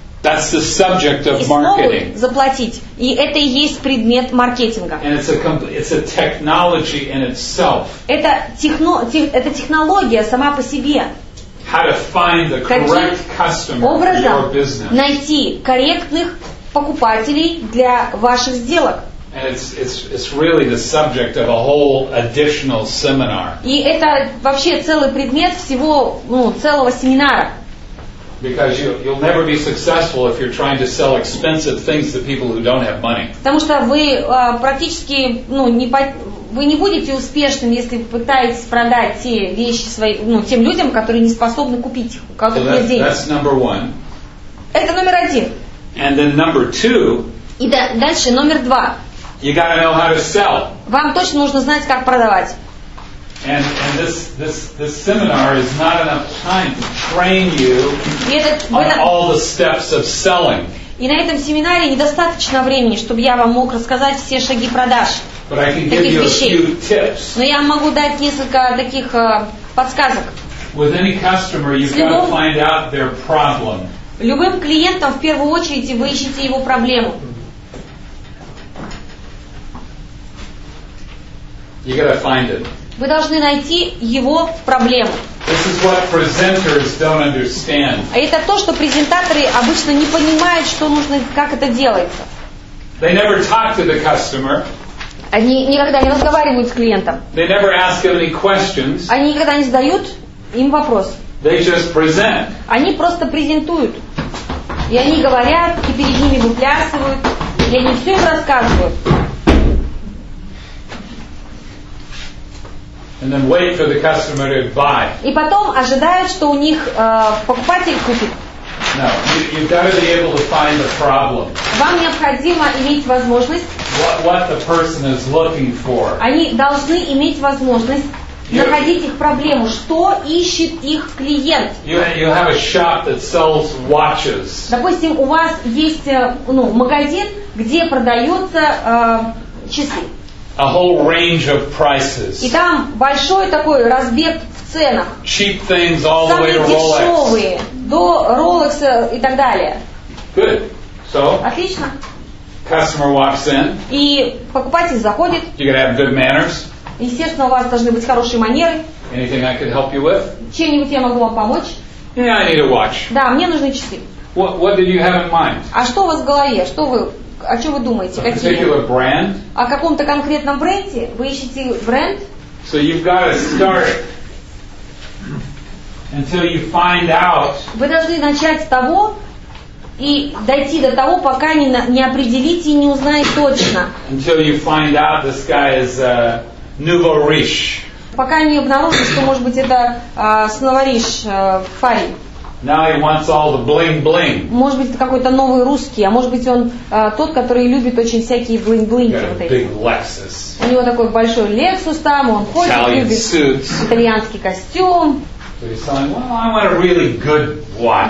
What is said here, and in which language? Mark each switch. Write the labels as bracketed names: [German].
[English] That's the subject of marketing. [Russian] Заплатить. И это и есть предмет маркетинга. [English] And it's a technology in itself. [Russian] Это технология сама по себе. [English] How to find the correct customer for your business. [Russian] Найти корректных покупателей для ваших сделок. [English] And it's really the subject of a whole additional seminar. [Russian] И это вообще целый предмет всего, целого семинара. [English] Because you'll never be successful if you're trying to sell expensive things to people who don't have money. [Russian] Потому что вы практически, вы не будете успешным, если пытаетесь продать те вещи свои, тем людям, которые не способны купить их, у которых нет денег. [English] That's number one. [Russian] Это номер один. [English] And then number two. [Russian] И дальше номер два. [English] You gotta know how to sell. [Russian] Вам точно нужно знать, как продавать. [English] And this seminar is not enough time to train you on all the steps of selling. [Russian] И на этом семинаре недостаточно времени, чтобы я вам мог рассказать все шаги продаж. [English] But I can give you [Russian] вещей. [English] A few tips. [Russian] Но я могу дать несколько таких подсказок. [English] With any customer, you've got to find out their problem. [Russian] Любым клиентам в первую очередь вы ищете его проблему. [English] You got to find it. [Russian] Вы должны найти его проблему. [English] This is what presenters don't understand. [Russian] Это то, что презентаторы обычно не понимают, что нужно, как это делается. [English] They never talk to the customer. [Russian] Они никогда не разговаривают с клиентом. [English] They never ask any questions. [Russian] Они никогда не задают им вопрос. [English] They just present. [Russian] Они просто презентуют. И они говорят, и перед ними выплясывают, и они все им рассказывают. [English] And then wait for the customer to buy. [Russian] И потом ожидают, что у них покупатель купит. [English] No, you've got to be able to find the problem. [Russian] Вам необходимо иметь возможность. [English] What the person is looking for. [Russian] Они должны иметь возможность находить их проблему. Что ищет их клиент? [English] You have a shop that sells watches. [Russian] Допустим, у вас есть магазин, где продаются часы. [English] A whole range of prices. [Russian] И там большой такой разбег в ценах. [English] Cheap things all the way to Rolex. [Russian] Самые дешевые до Rolex и так далее. [English] Good. So. [Russian] Отлично. [English] Customer walks in. [Russian] И покупатель заходит. [English] You gotta have good manners. [Russian] Естественно, у вас должны быть хорошие манеры. [English] Anything I could help you with? [Russian] Чем-нибудь я могу вам помочь? [English] Yeah, I need a watch. [Russian] Да, мне нужны часы. [English] What did you have in mind? [Russian] А что у вас в голове? Что вы? О чем вы думаете? О каком-то конкретном бренде? Вы ищете бренд? [English] So you've got to start until you find out. [Russian] Вы должны начать с того и дойти до того, пока не определите и не узнаете точно. [English] Until you find out this guy is nouveau riche. [Russian] Пока не обнаружите, что, может быть, это сноваришь парень. [English] Now he wants all the bling bling. [Russian] Может быть, это какой-то новый русский, а может быть, он тот, который любит очень всякие блинг-блинги. [English] He's got a big Lexus. [Russian] У него такой большой Lexus там, он ходит, любит [English] suits. [Russian] Итальянский костюм. [English] So he's saying, well, I want a really good watch.